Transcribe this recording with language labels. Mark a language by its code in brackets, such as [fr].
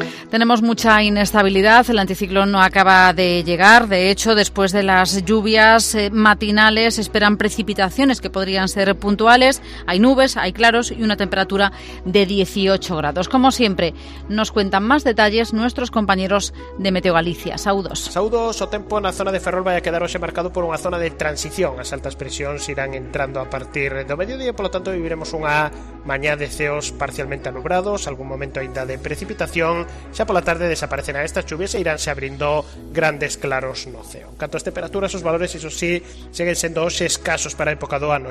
[es] Tenemos mucha inestabilidad, el anticiclón no acaba de llegar. De hecho, después de las lluvias matinales, esperan precipitaciones que podrían ser puntuales. Hay nubes, hay claros y una temperatura de 18 grados. Como siempre, nos cuentan más detalles nuestros compañeros de Meteo Galicia. [gl] Saudos. Saudos. O tempo na zona de Ferrol vai a quedar hoxe marcado por unha zona de transición. As altas presións irán entrando a partir do mediodía, polo tanto, viviremos unha mañá de ceos parcialmente anubrados, algún momento aínda de precipitación. Xa pola tarde desaparecerán estas chuvias e iránse abrindo grandes claros no ceo. En canto ás temperaturas, os valores, iso sí, seguen sendo hoxe escasos para a época do ano.